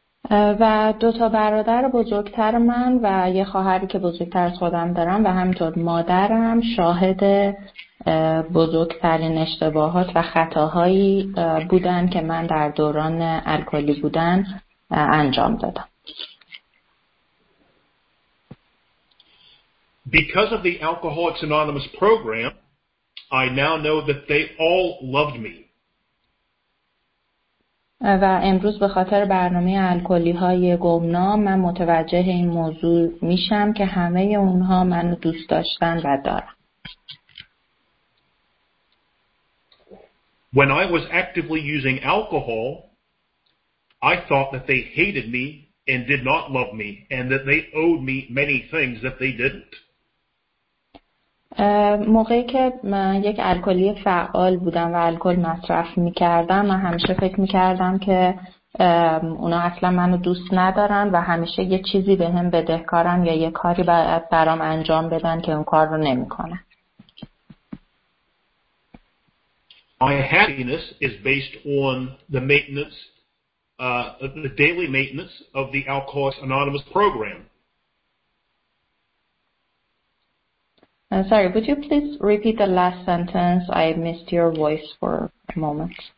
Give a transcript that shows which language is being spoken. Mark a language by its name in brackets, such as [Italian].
[Persian] و دو تا برادر بزرگتر من و یه خواهری که بزرگتر از خودم دارم و همینطور مادرم شاهد بزرگترین اشتباهات و خطاهایی بودن که من در دوران الکلی بودن انجام دادم. [English] Because of the Alcoholics Anonymous program, I now know that they all loved me. [Persian] و امروز به خاطر برنامه الکلی های گمنام من متوجه این موضوع میشم که همه اونها منو دوست داشتن و دارن. [English] When I was actively using alcohol, I thought that they hated me and did not love me and that they owed me many things that they didn't. [Persian] موقعی که من یک الکلی فعال بودم و الکل مصرف می‌کردم، من همیشه فکر می‌کردم که اونا اصلا منو دوست ندارن و همیشه یه چیزی به هم بدهکارن یا یه کاری برام انجام بدن که اون کار رو نمی‌کنن. [English] My happiness is based on the maintenance, the daily maintenance of the Alcoholics Anonymous program. Sorry, would you please repeat the last sentence? I missed your voice for a moment.